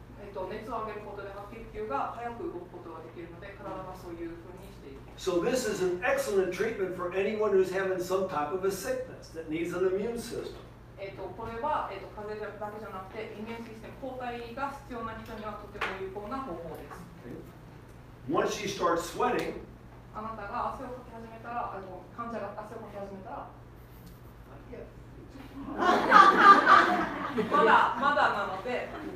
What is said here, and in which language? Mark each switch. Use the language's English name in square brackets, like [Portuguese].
[Japanese] 熱を上げることで白血球が早く動くことができるので体がそういうふうにしている。 [English] So this is an excellent treatment for anyone who's having some type of a sickness that needs an immune system. [Japanese] これは、風邪だけじゃなくて、イミュンシステム、抗体が必要な人にはとても有効な方法です。 [English] Okay. Once you start sweating, [Japanese] あなたが汗をかき始めたら、患者が汗をかき始めたら、まだなので、